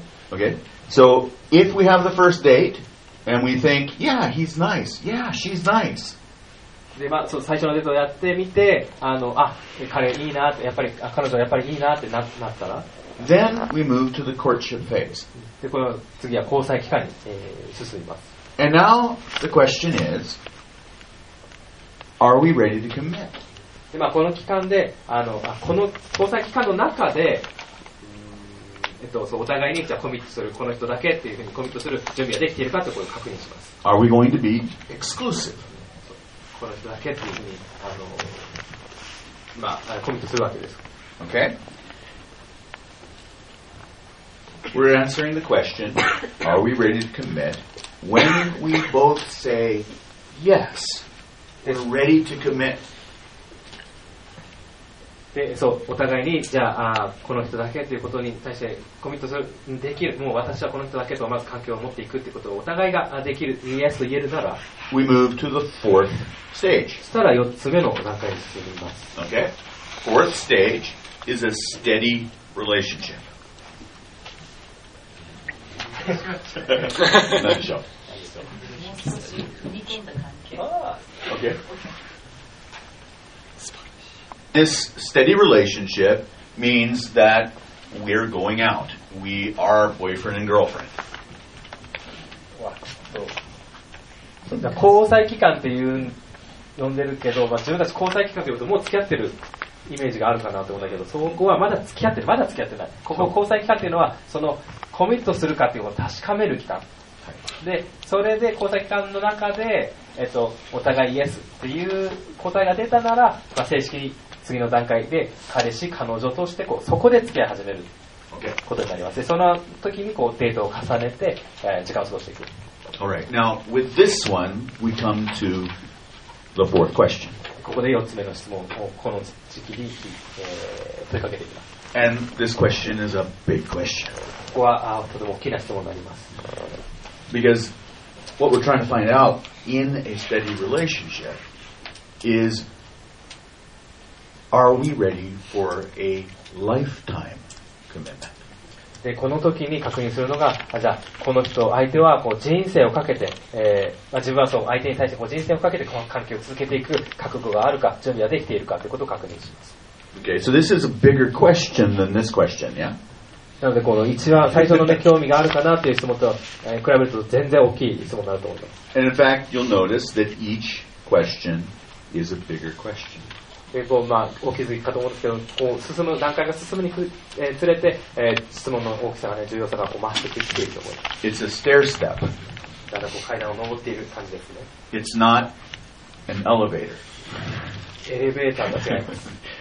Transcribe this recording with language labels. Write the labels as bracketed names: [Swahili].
[English] Okay. So if we have the first date and we think, yeah, he's nice. Yeah, she's nice. [Japanese] でまあ、そう最初のデートをやってみて、彼いいなって、やっぱり彼女はやっぱりいいなって なったら、 [English] Then we move to the courtship phase. [Japanese] でこの次は交際期間に、進みます。 [English] And now the question is, are we ready to commit? [Japanese] で、まあ、この期間で、この交際期間の中で、そうお互いにじゃコミットする、この人だけっていうふうにコミットする準備ができているかということを確認します。 [English] Are we going to be exclusive? [Japanese] この人だけというふうにまあ、コミットするわけです。 [English] Okay. we're answering the question, are we ready to commit? When we both say, yes, we're ready to commit. [Japanese] でそうお互いにじゃ あこの人だけということに対してコミットするできるもう私はこの人だけとまず関係を持っていくということをお互いができる Yes と言えるなら [English] We move to the fourth stage. [Japanese] したら4つ目の段階に進みます。 [English] Okay. Fourth stage is a steady relationship. [Japanese] 何でしょう。もう少し似てる関係。 [English] Okay. This steady relationship means that we're going out. We are boyfriend and girlfriend. [Japanese] じゃあ交際期間っていう呼んでるけど、まあ、自分たち交際期間というともう付き合ってるイメージがあるかなと思うんだけど、そこはまだ付き合ってる、まだ付き合ってない。ここ交際期間っていうのはそのコミットするかっていうのを確かめる期間。でそれで交際期間の中で、お互いイエスっていう答えが出たなら、まあ、正式に次の段階で彼氏彼女としてこうそこで付き合い始めることになります。でその時にこうデートを重ねて、時間を過ごしていく。 [English] All right. Now with this one, we come to the fourth question. [Japanese] ここで4つ目の質問をこの時期に、問いかけていきます。 [English] And this question is a big question. [Japanese] ここはとても大きな質問になります。 [English] Because what we're trying to find out in a steady relationship is are we ready for a lifetime commitment? [Japanese] でこの時に確認するのがじゃあこの人相手はこう人生をかけて、まあ、自分はその相手に対してこう人生をかけてこの関係を続けていく覚悟があるか準備ができているかということを確認します。 [English] Okay, so this is a bigger question than this question, yeah? [Japanese] なのでこの一番最初の、ね、興味があるかなという質問と、比べると全然大きい質問になると思います。 [English] And in fact, you'll notice that each question is a bigger question. [Japanese] でこう、まあ、お気づきかと思うんですけど、こう進む段階が進むにつれて、質問の大きさが、ね、重要さがこう増してきていると思います。 [English] It's a stair step. [Japanese] だからこう階段を上っている感じですね。 [English] It's not an elevator. [Japanese] エレベーターが違います。